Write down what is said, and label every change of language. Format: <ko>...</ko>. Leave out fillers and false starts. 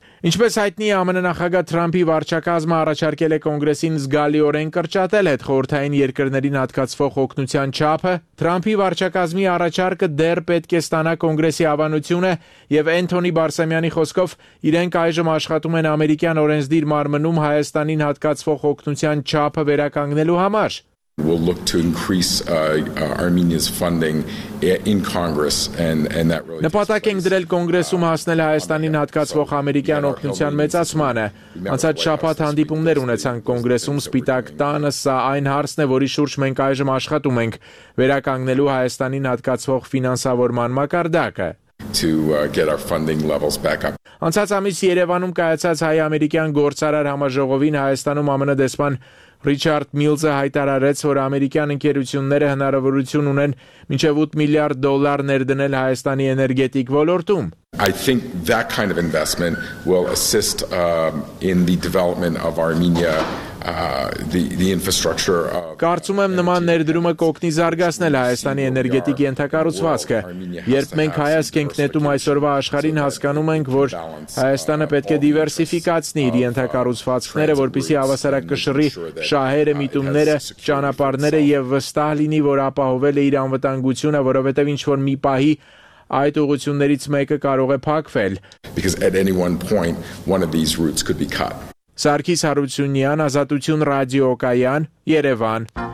<hy>Ինչպես հայտնի է, ԱՄՆ նախագահ Թրամփի վարչակազմը առաջարկել է կոնգրեսին զգալիորեն կրճատել այդ խորհրդային երկրներին հատկացվող օգնության չափը։ Թրամփի վարչակազմի առաջարկը դեռ պետք է ստանա կոնգրեսի ավանությունը, եւ Էնթոնի Բարսամյանի խոսքով իրենք այժմ աշխատում են ամերիկյան օրենսդիր մարմնում Հայաստանին հատկացվող օգնության չափը վերականգնելու համար։</hy> <en>We'll look to increase Armenia's funding in Congress and that really</en> <hy>Նպատակ ենք դրել կոնգրեսում հասնել Հայաստանին հատկացվող ամերիկյան օգնության մեծացմանը։ Անցած շաբաթ հանդիպումներ ունեցան կոնգրեսում Սպիտակ տանը, սա այն հարցն է, որի շուրջ մենք այժմ աշխատում ենք՝ վերականգնելու Հայաստանին հատկացվող ֆինանսավորման մակարդակը։</hy> <en>To get our funding levels back up.</en> <hy>Անցած ամիս Երևանում կայացած հայ-ամերիկյան գործարար համաժողովին Հայաստանում ԱՄՆ դեսպան Ռիչարդ Միլզը հայտարարեց, որ ամերիկյան ընկերությունները հնարավորություն ունեն մինչև 8 միլիարդ դոլար ներդնել Հայաստանի էներգետիկ ոլորտում.</hy> <en>I think that kind of investment will assist in the development of Armenia the infrastructure of</en> <hy>Կարծում եմ նման ներդրումը կօգնի զարգացնել Հայաստանի էներգետիկ ենթակառուցվածքը։ Երբ մենք հայացք ենք նետում այսօրվա աշխարհին, հասկանում ենք, որ Հայաստանը պետք է դիվերսիֆիկացնի իր ենթակառուցվածքները, որպեսզի հավասարակ կշռի շահերը, միտումները, ճանապարհները եւ վստահ լինի, որ ապահովել է իր անվտանգությունը, որովհետեւ ինչ որ մի պահի այդ ուղություններից մեկը կարող է փակվել։ Սարգիս Հարությունյան, Ազատություն ռադիո Կայան, Երևան։</hy>